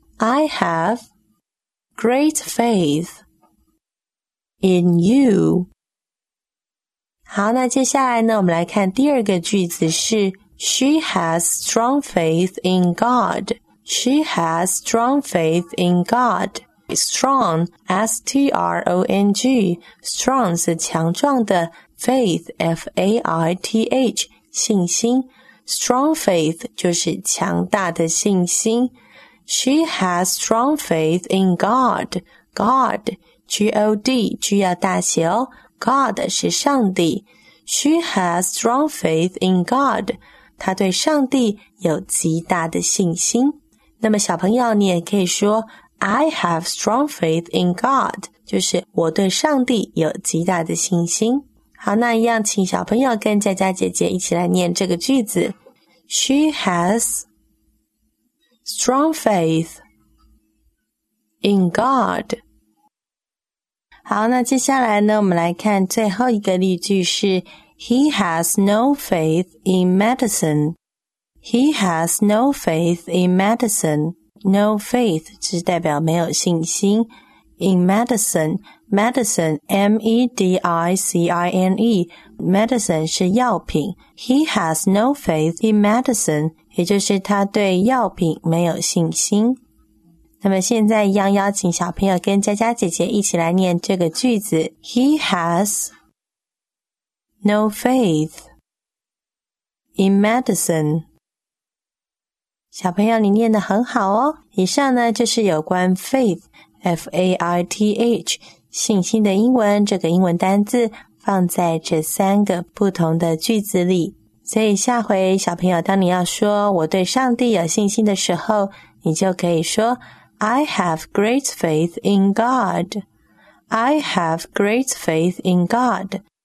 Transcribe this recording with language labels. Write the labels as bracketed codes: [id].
[en] I have great faith in you. [zh] 好，那接下来呢，我们来看第二个句子是 [en] She has strong faith in God. She has strong faith in God. Strong, S-T-R-O-N-G, strong [zh] 是强壮的 [en] faith, F-A-I-T-H, [zh] 信心。 [en] Strong faith [zh] 就是强大的信心。 [en] She has strong faith in God. [zh] God, G-O-D, 句要大写哦。 God 是上帝。 [en] She has strong faith in God. [zh] 她对上帝有极大的信心。那么小朋友你也可以说 [en] I have strong faith in God. [zh] 就是我对上帝有极大的信心。好，那一样请小朋友跟佳佳姐姐一起来念这个句子。 [en] She has strong faith in God. [zh] 好，那接下来呢，我们来看最后一个例句是 [en] He has no faith in medicine. He has no faith in medicine. [zh] No faith 是代表没有信心。 [en] In medicine, medicine, M-E-D-I-C-I-N-E, medicine [zh] 是药品。 [en] He has no faith in medicine, [zh] 也就是他对药品没有信心。那么现在一样邀请小朋友跟佳佳姐姐一起来念这个句子。 [en] He has no faith in medicine. [zh] 小朋友你念得很好哦。以上呢就是有关 faith, F-A-I-T-H, 信心的英文，这个英文单字放在这三个不同的句子里。所以下回小朋友当你要说我对上帝有信心的时候，你就可以说 [en] I have great faith in God. I have great faith in God.